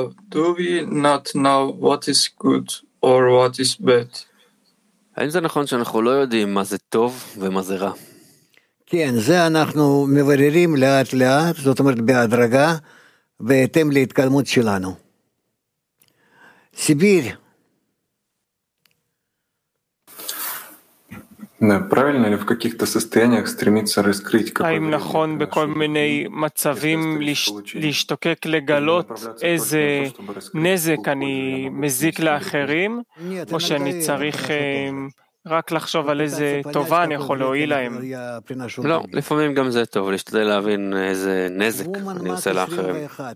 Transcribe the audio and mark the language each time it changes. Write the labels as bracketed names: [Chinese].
[English] Do we not know what is good or what is bad? [Hebrew] האם זה נכון שאנחנו לא יודעים מה זה טוב ומה זה רע? כן, זה אנחנו מבררים לאט לאט, זאת אומרת בהדרגה, בהתאם להתקדמות שלנו. סיביר. [Russian] Правильно ли в каких-то состояниях стремиться раскрыть какой-то... [Hebrew] האם נכון בכל מיני מצבים להשתוקק לגלות איזה נזק אני מזיק לאחרים, או שאני צריך... רק לחשוב על איזה טובה אני יכול להועיל להם. לא, לפעמים גם זה טוב, להשתדל להבין איזה נזק אני עושה לאחרים.